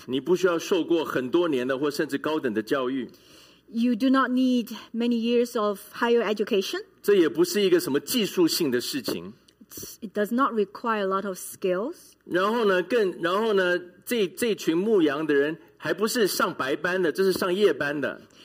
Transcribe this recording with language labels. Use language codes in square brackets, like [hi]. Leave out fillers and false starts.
[zh] 你不需要受过很多年的或甚至高等的教育。 [en] You do not need many years of higher education. [zh] 这也不是一个什么技术性的事情。 [en] It does not require a lot of skills. [zh] 然后呢，这群牧羊的人还不是上白班的，这是上夜班的。